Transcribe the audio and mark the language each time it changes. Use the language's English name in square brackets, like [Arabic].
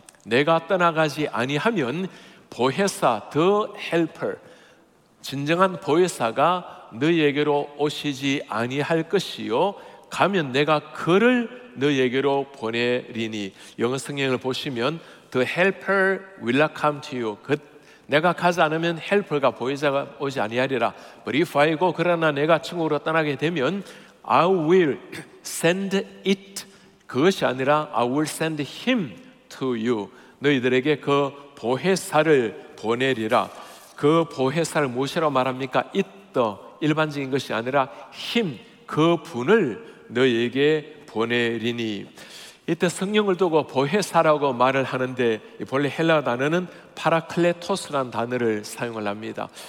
[Korean] 내가 떠나가지 아니하면 보혜사, [English] the helper, [Korean] 진정한 보혜사가 너희에게로 오시지 아니할 것이요 가면 내가 그를 너희에게로 보내리니. 영어 성경을 보시면 [English] the helper will not come to you, [Korean] 그 내가 가지 않으면 helper가 보혜자가 오지 아니하리라. [English] But if I go, [Korean] 그러나 내가 천국으로 떠나게 되면 [English] I will send it, [Korean] 그것이 아니라 [English] I will send him to you, [Korean] 너희들에게 그 보혜사를 보내리라. 그 보혜사를 무엇이라고 말합니까? It, 일반적인 것이 아니라 힘, 그 분을 너에게 보내리니. 이때 성령을 두고 보혜사라고 말을 하는데 본래 헬라어 단어는 파라클레토스라는 단어를 사용을 합니다.